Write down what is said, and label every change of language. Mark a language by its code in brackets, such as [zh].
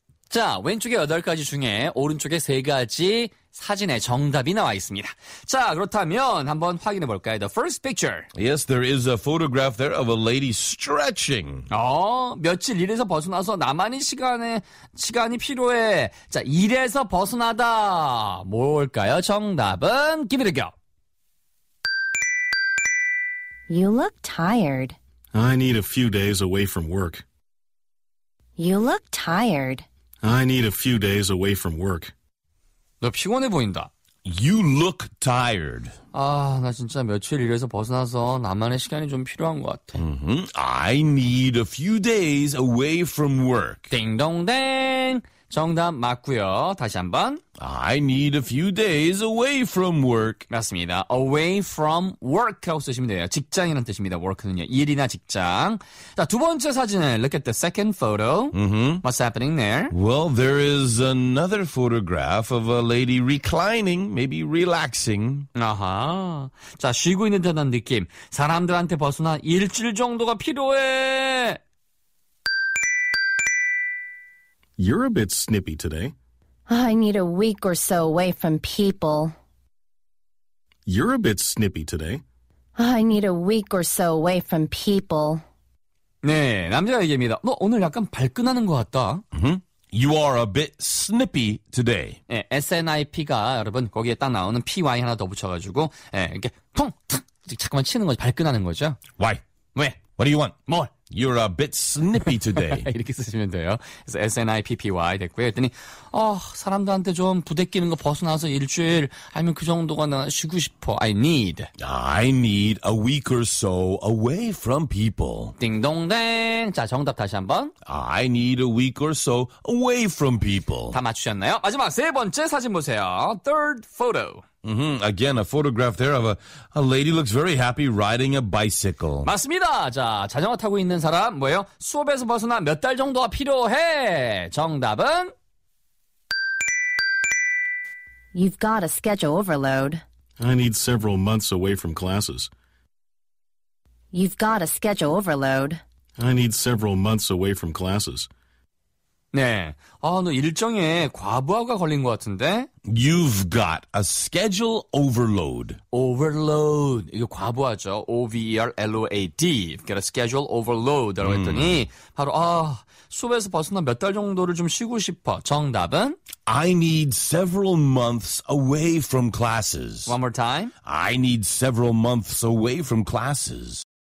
[ko] 자, 왼쪽에 8가지 중에 오른쪽에 3가지 사진에 정답이 나와 있습니다. 자, 그렇다면 한번 확인해 볼까요? [en] The first picture. Yes, there is a photograph there of a lady stretching. [ko] 어, 며칠 일에서 벗어나서 나만의 시간이 필요해. 자, 일에서 벗어나다. 뭘까요? 정답은 [en] give it a go. You look tired. I need a few days away from work. You look tired. I need a few days away from work. [ko] 너 피곤해 보인다. [en] You look tired. [ko] 아, 나 진짜 며칠 일해서 벗어나서 나만의 시간이 좀 필요한 것 같아. Mm-hmm. [en] I need a few days away from work. [ko] 딩동댕. 정답 맞고요. 다시 한번. [en] I need a few days away from work. [ko] 맞습니다. [en] Away from work [ko] 하고 쓰시면 돼요. 직장이라는 뜻입니다. Work는요. 일이나 직장. 자, 두 번째 사진을 [en] look at the second photo. Mm-hmm. What's happening there? Well, there is another photograph of a lady reclining, maybe relaxing. [ko] 아하. 자, 쉬고 있는 듯한 느낌. 사람들한테 벗어나 일주일 정도가 필요해. [en] You're a bit snippy today. I need a week or so away from people. You're a bit snippy today. I need a week or so away from people. [ko] 네, 남자 얘기입니다. 너 오늘 약간 발끈하는 것 같다. Mm-hmm. [en] You are a bit snippy today. [ko] 네, SNIP가 여러분 거기에 딱 나오는 PY 하나 더 붙여가지고 네, 이렇게 통 탁 잠깐만 치는 거죠. 발끈하는 거죠. [en] Why? [ko] 왜? [en] What do you want? More. You're a bit snippy today. [ko] 이렇게 쓰시면 돼요. 그래서 S-N-I-P-P-Y 됐고요. 그랬더니 사람들한테 좀 부대끼는 거 벗어나서 일주일 아니면 그 정도가 나 쉬고 싶어. [en] I need a week or so away from people. [ko] 띵동댕. 자, 정답 다시 한번. [en] I need a week or so away from people. [ko] 다 맞추셨나요? 마지막 세 번째 사진 보세요. [en] Third photo. Mm-hmm. Again, a photograph there of a lady looks very happy riding a bicycle. [ko] 맞습니다. 자, 자전거 타고 있는 사람 뭐예요? 수업에서 벗어나 몇 달 정도가 필요해? 정답은? [en] You've got a schedule overload. I need several months away from classes. You've got a schedule overload. I need several months away from classes. [ko] 네. 너 일정에 과부하가 걸린 것 같은데? [en] You've got a schedule overload. [ko] Overload. 이게 과부하죠. O-V-E-R-L-O-A-D. [en] You've got a schedule overload. [ko] 라고 했더니 바로 수업에서 벗어나 몇 달 정도를 좀 쉬고 싶어. 정답은? [en] I need several months away from classes. One more time. I need several months away from classes.